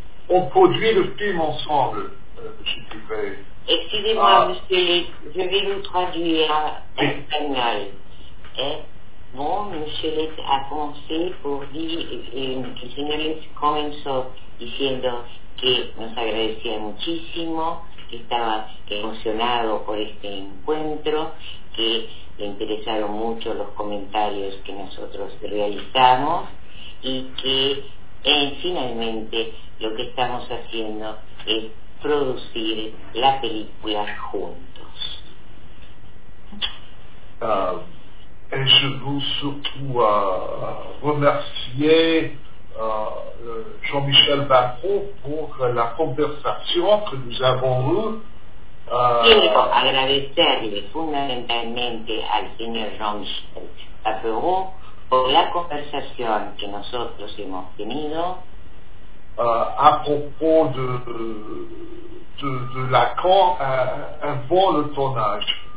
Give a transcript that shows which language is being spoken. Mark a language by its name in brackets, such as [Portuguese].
[French] On produit le film ensemble, si tu veux. Excusez-moi, monsieur, je vais vous traduire en espagnol. Bon, monsieur Lett a pensé pour dire, [Spanish] que le señor Lett comenzó diciendo que nos agradecía muchísimo, que estaba emocionado por este encuentro, que le interesaron mucho los comentarios que nosotros realizamos y que finalmente lo que estamos haciendo es producir la película juntos. [French] et je veux surtout remercier Jean-Michel Bacro pour la conversation que nous avons eue. [Spanish] Quiero agradecerle fundamentalmente al señor Jean-Michel Bacro por la conversación que nosotros hemos tenido [French] à propos de Lacan, un vol de tonnage.